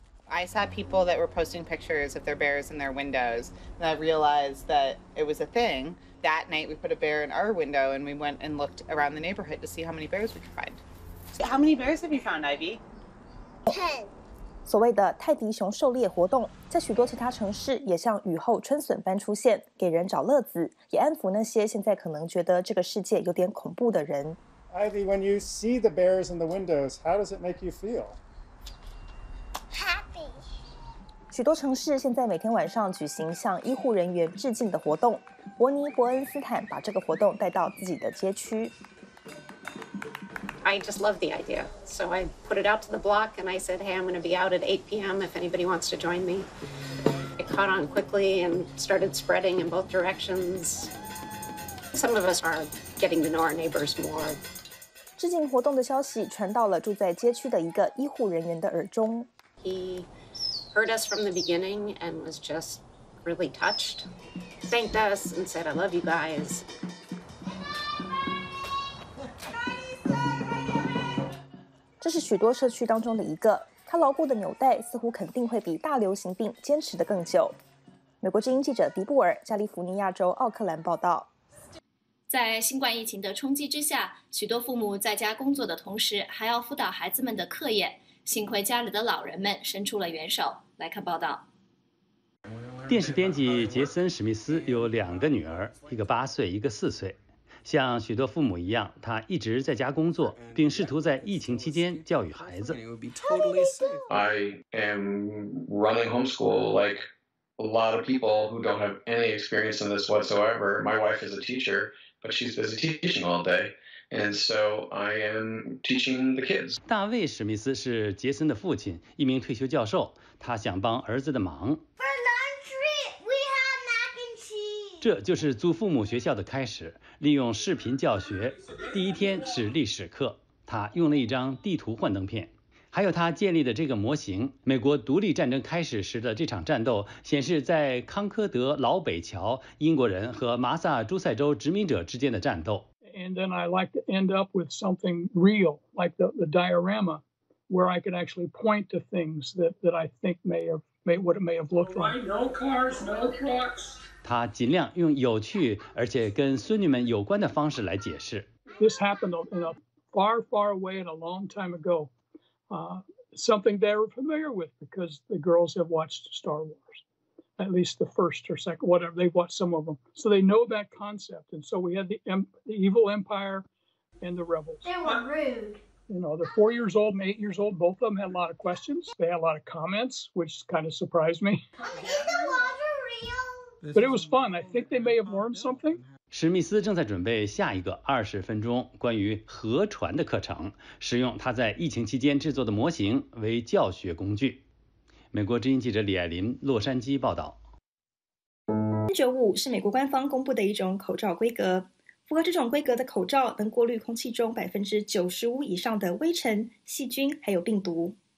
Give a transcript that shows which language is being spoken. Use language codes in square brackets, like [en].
[en] I saw people that were posting pictures of their bears in their windows, and I realized that it was a thing. That night, we put a bear in our window, and we went and looked around the neighborhood to see how many bears we could find. So how many bears have you found, Ivy? 10. [zh] 所谓的泰迪熊狩猎活动，在许多其他城市也像雨后春笋般出现，给人找乐子，也安抚那些现在可能觉得这个世界有点恐怖的人。 [en] Ivy, when you see the bears in the windows, how does it make you feel? Happy. [zh] 许多城市现在每天晚上举行向医护人员致敬的活动。伯尼·伯恩斯坦把这个活动带到自己的街区。 [en] I just love the idea. So I put it out to the block and I said, hey, I'm going to be out at 8 p.m. if anybody wants to join me. It caught on quickly and started spreading in both directions. Some of us are getting to know our neighbors more. [zh] 致敬活动的消息传到了住在街区的一个医护人员的耳中。 [en] He heard us from the beginning and was just really touched. Thanked us and said, I love you guys. [zh] 这是许多社区当中的一个，它牢固的纽带似乎肯定会比大流行病坚持得更久。美国之音记者迪布尔，加利福尼亚州奥克兰报道。在新冠疫情的冲击之下，许多父母在家工作的同时还要辅导孩子们的课业，幸亏家里的老人们伸出了援手。来看报道。电视编辑杰森·史密斯有两个女儿，一个八岁，一个四岁。像许多父母一样，他一直在家工作，并试图在疫情期间教育孩子。 [en] I am running homeschool like a lot of people who don't have any experience in this whatsoever. My wife is a teacher, but she's busy teaching all day, and so I am teaching the kids. [zh] 大卫·史密斯是杰森的父亲，一名退休教授，他想帮儿子的忙。这就是祖父母学校的开始，利用视频教学。第一天是历史课，他用了一张地图幻灯片，还有他建立的这个模型。美国独立战争开始时的这场战斗显示在康科德老北桥英国人和马萨诸塞州殖民者之间的战斗。 [en] And then I like to end up with something real, like the diorama, where I can actually point to things that I think may have what it may have looked like. No cars, no trucks. [zh] 他尽量用有趣而且跟孙女们有关的方式来解释。 [en] This happened in a far, far away and a long time ago. Something they were familiar with because the girls have watched Star Wars, at least the first or second, whatever, they've watched some of them. So they know that concept. And so we had the evil empire and the rebels. They were rude. You know, they're 4 years old and 8 years old. Both of them had a lot of questions. They had a lot of comments, which kind of surprised me. But it was fun. I think they may have learned something. [zh] 史密斯正在准备下一个20分钟关于河船的课程，使用他在疫情期间制作的模型为教学工具。美国之音记者李爱琳，洛杉矶报道。 N95是美国官方公布的一种口罩规格，符合这种规格的口罩能过滤空气中95%以上的微尘、细菌还有病毒。